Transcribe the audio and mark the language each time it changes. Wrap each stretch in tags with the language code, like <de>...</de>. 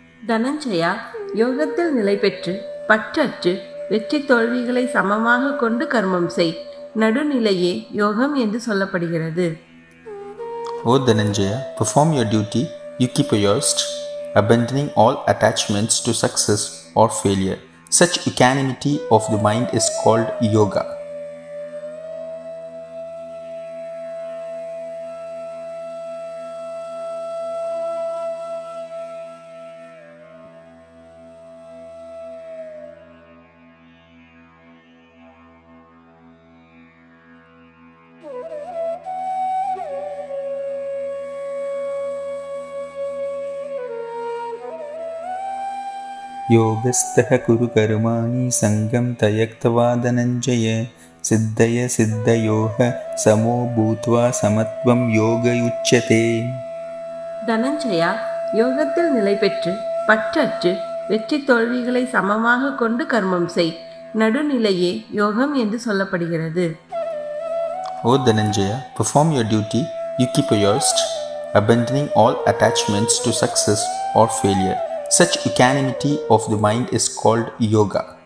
<ta>தனஞ்சயா, யோகத்தில் நிலை பெற்று பற்றற்று வெற்றி தோல்விகளை சமமாக கொண்டு கர்மம் செய். நடுநிலையே யோகம் என்று சொல்லப்படுகிறது.</ta> <en>O Dhananjaya, perform your duty, you keep a yoked, abandoning all attachments to success or failure. Such equanimity of the mind is called yoga.</en> <sa>யோகஸ்தஹ குரு கருமாணி சங்கம் தயக்தவா தனஞ்சய சித்தய சித்தயோஹ சமோ பூத்வா சமத்வம் யோகயுச்சதே.</sa> <ta>தனஞ்சயா, யோகத்தில் நிலை பெற்று பற்றற்று வெற்றி தோல்விகளை சமமாக கொண்டு கர்மம் செய். நடுநிலையே யோகம் என்று சொல்லப்படுகிறது.</ta> <en>O Dhananjaya, perform your duty, you keep a yoked, abandoning all attachments to success or failure. Such equanimity of the mind is called yoga.</en>